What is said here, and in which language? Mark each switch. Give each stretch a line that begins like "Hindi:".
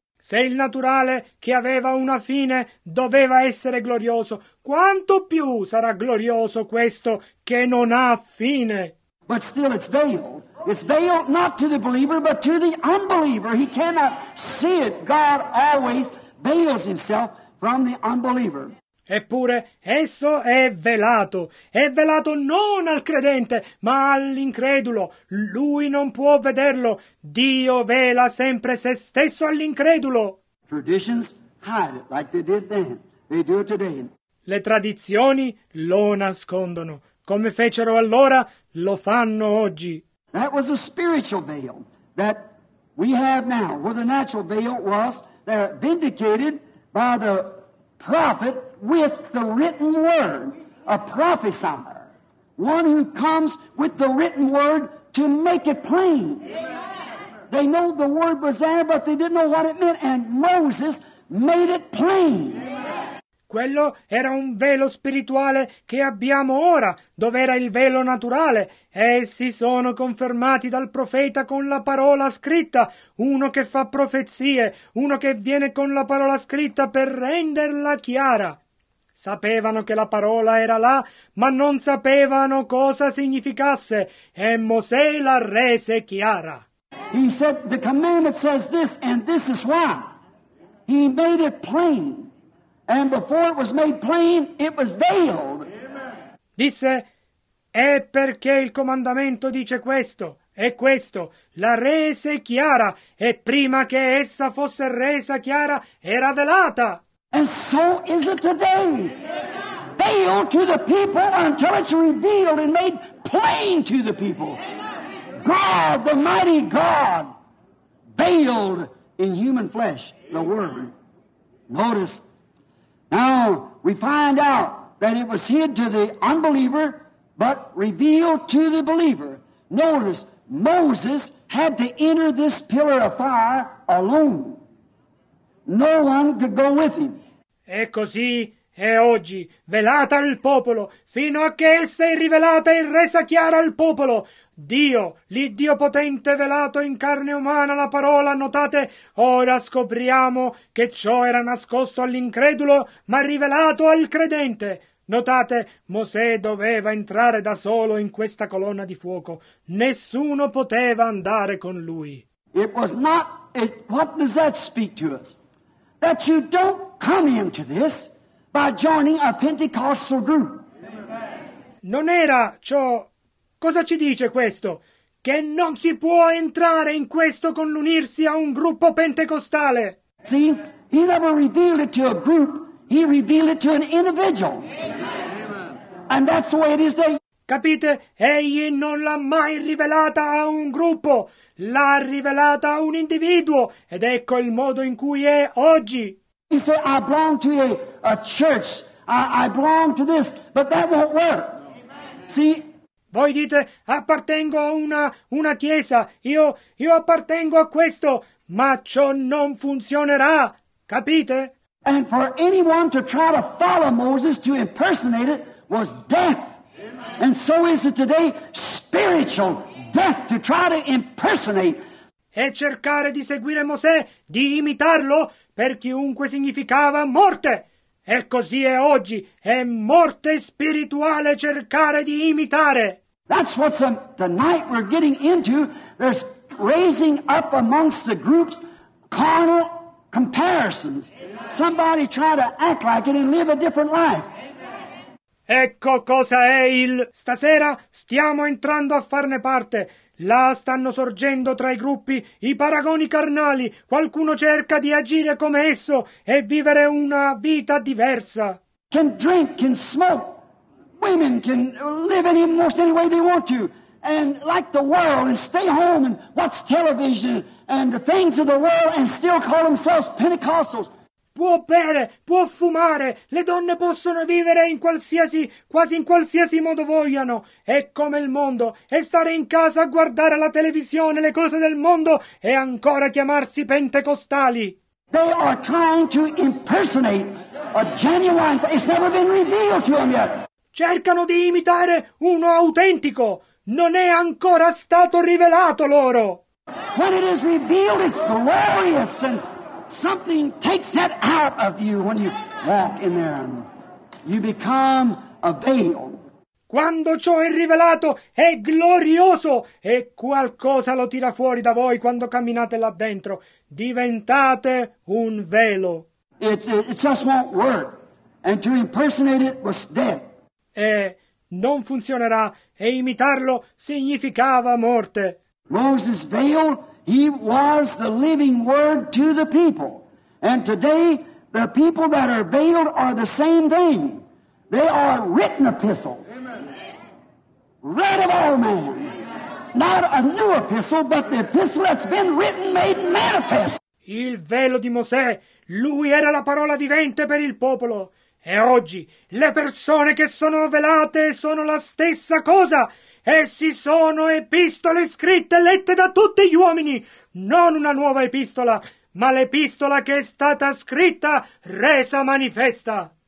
Italian: Se il naturale, che aveva una fine, doveva essere glorioso, quanto più sarà glorioso questo che non ha fine?
English: But still it's veiled. It's veiled not to the believer, but to the unbeliever. He cannot see it. God always veils himself from the unbeliever.
Italian: Eppure, esso è velato. È velato non al credente, ma all'incredulo. Lui non può vederlo. Dio vela sempre se stesso all'incredulo.
English: Traditions hide it like they did then. They do it today.
Italian: Le tradizioni lo nascondono. Come fecero allora, lo fanno oggi.
English: That was a spiritual veil that we have now. Where the natural veil was, they're vindicated by the prophet with the written word, a prophesier, one who comes with the written word to make it plain. Amen. They know the word was there, but they didn't know what it meant, and Moses made it plain. Amen.
Italian: Quello era un velo spirituale che abbiamo ora, dove era il velo naturale. Essi sono confermati dal profeta con la parola scritta, uno che fa profezie, uno che viene con la parola scritta per renderla chiara. Sapevano che la parola era là, ma non sapevano cosa significasse, e Mosè la rese chiara.
English: He said, the commandment says this, and this is why. He made it plain. And before it was made plain, it was veiled.
Italian: Disse, è perché il comandamento dice questo, e questo, la rese chiara, e prima che essa fosse resa chiara, era velata.
English: And so is it today. Veil to the people until it's revealed and made plain to the people. God, the mighty God, veiled in human flesh, the Word. Notice, now we find out that it was hid to the unbeliever, but revealed to the believer. Notice, Moses had to enter this pillar of fire alone. No one could go with him.
Italian: E così è oggi, velata al popolo, fino a che essa è rivelata e resa chiara al popolo. Dio, l'Iddio potente velato in carne umana la parola, notate, ora scopriamo che ciò era nascosto all'incredulo, ma rivelato al credente. Notate, Mosè doveva entrare da solo in questa colonna di fuoco. Nessuno poteva andare con lui.
English: It was not, what does that speak to us? That you don't come into this by joining a Pentecostal group.
Italian: Non era ciò. Cosa ci dice questo? Che non si può entrare in questo con l'unirsi a un gruppo pentecostale.
English: See, he never revealed it to a group. He revealed it to an individual. And that's the way it is today.
Italian: Capite? Egli non l'ha mai rivelata a un gruppo. L'ha rivelata a un individuo. Ed ecco il modo in cui è oggi.
English: He said, I belong to a church. I belong to this. But that won't work. See?
Italian: Voi dite, appartengo a una chiesa, io appartengo a questo, ma ciò non funzionerà, capite?
English: And for anyone to try to follow Moses, to impersonate it, was death. Amen. And so is it today, spiritual death, to try to impersonate.
Italian: E cercare di seguire Mosè, di imitarlo, per chiunque significava morte. E così è oggi, è morte spirituale cercare di imitare.
English: That's what tonight we're getting into. There's raising up amongst the groups carnal comparisons. Amen. Somebody try to act like it and live a different life.
Italian: Amen. Ecco cosa è il... Stasera stiamo entrando a farne parte. Là stanno sorgendo tra i gruppi i paragoni carnali. Qualcuno cerca di agire come esso e vivere una vita diversa.
English: Can drink, can smoke. Women can live in almost any way they want to, and like the world, and stay home and watch television and the things of the world, and still call themselves Pentecostals.
Italian: Può bere, può fumare. Le donne possono vivere in qualsiasi, quasi in qualsiasi modo vogliano. È come il mondo. E stare in casa a guardare la televisione, le cose del mondo, e ancora chiamarsi pentecostali.
English: They are trying to impersonate a genuine. It's never been revealed to them yet.
Italian: Cercano di imitare uno autentico. Non è ancora stato rivelato loro.
English: When it is revealed, it's glorious, and something takes that out of you when you walk in there. And you become a veil.
Italian: Quando ciò è rivelato, è glorioso, e qualcosa lo tira fuori da voi quando camminate là dentro. Diventate un velo.
English: It just won't work, and to impersonate it was death.
Italian: E non funzionerà, e imitarlo significava morte.
English: Moses veil, he was the living word to the people. And today, the people that are veiled are the same thing. They are written epistles. Read of all men. Not a new epistle, but the epistle that's been written, made manifest.
Italian: Il velo di Mosè, lui era la parola vivente per il popolo. E oggi le persone che sono velate sono la stessa cosa. Essi sono epistole scritte, lette da tutti gli uomini. Non una nuova epistola, ma l'epistola che è stata scritta, resa manifesta.